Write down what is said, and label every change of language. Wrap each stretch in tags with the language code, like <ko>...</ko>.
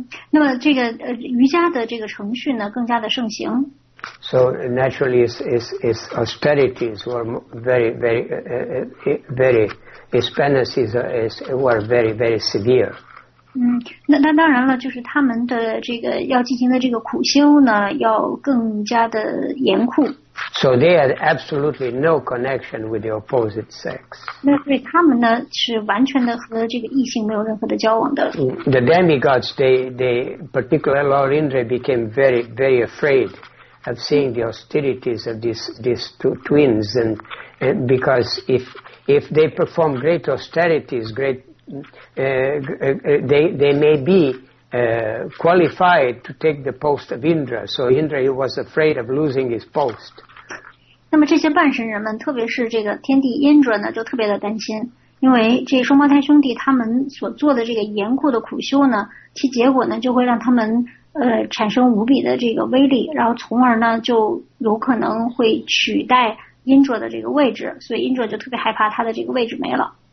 <zh>那么这个瑜伽的这个程序呢，更加的盛行。</zh> <en>So naturally, its austerities were very, very, very, its penances were very, very severe.</en> <zh>那当然了，就是他们的这个要进行的这个苦修呢，要更加的严酷。</zh> <en>So they had absolutely no connection with the opposite sex.</en> <zh>那所以他们呢是完全的和这个异性没有任何的交往的。</zh> <en>The demigods, they particularly Lord Indra became very very afraid of seeing the austerities of these two twins, and because if they perform great austerities, they may be qualified to take the post of Indra. So Indra, he was afraid of losing his post.</en> <zh>那么这些半神人们，特别是这个天帝 Indra 呢，就特别的担心，因为这双胞胎兄弟他们所做的这个严酷的苦修呢，其结果呢就会让他们产生无比的这个威力，然后从而呢就有可能会取代 Indra 的这个位置，所以 Indra 就特别害怕他的这个位置没了。</zh>